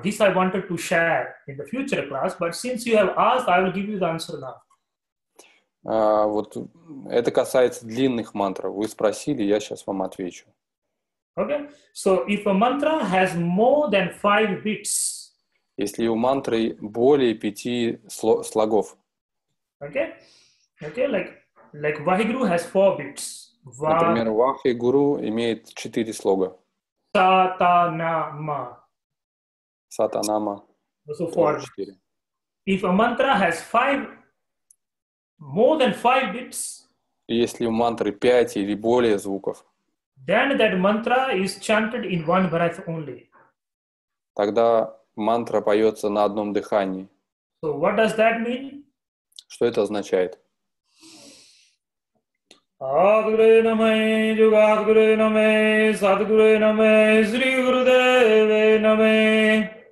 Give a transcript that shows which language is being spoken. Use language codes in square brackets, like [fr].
[en] This I wanted to share in the future class, but since you have asked, I will give you the answer now. [ru] Вот это касается длинных мантр. Вы спросили, я сейчас вам отвечу. [en] Okay. So if a mantra has more than 5 beats. [ru] Если у мантры более 5 слогов. [en] Okay. Okay, like Vaheguru has 4 beats. [ru] Например, Вахи Гуру имеет 4 слога. Сатанама. Сатанама. [en] So 4. If a mantra has 5 more than 5 beats. [ru] Если у мантры 5 или более звуков. [en] Then that mantra is chanted in one breath only. [ru] Тогда мантра поется на одном дыхании. [en] So what does that mean? [ru] Что это означает? [sa] Adgure Namah, Jugadgure Namah, Sadgure Namah, Sri Gurudeva Namah.